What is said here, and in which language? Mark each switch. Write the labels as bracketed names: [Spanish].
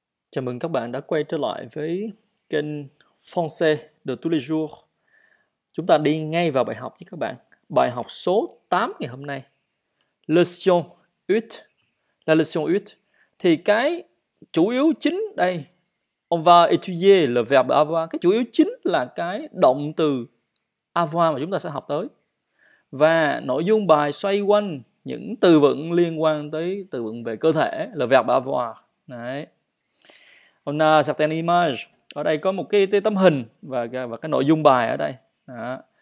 [Vietnamese] Chào mừng các bạn đã quay trở lại với kênh Français de tous les jours. Chúng ta đi ngay vào bài học nhé các bạn. Bài học số 8 ngày hôm nay. [French] Leçon 8. La leçon 8. [Vietnamese] Thì cái chủ yếu chính đây. [French] On va étudier le verbe avoir. [Vietnamese] Cái chủ yếu chính là cái động từ avoir mà chúng ta sẽ học tới. Và nội dung bài xoay quanh những từ vựng liên quan tới từ vựng về cơ thể. Le verbe avoir. Đấy. [French] On a certaine image. [Vietnamese] Ở đây có một cái tấm hình và cái nội dung bài ở đây. Đó.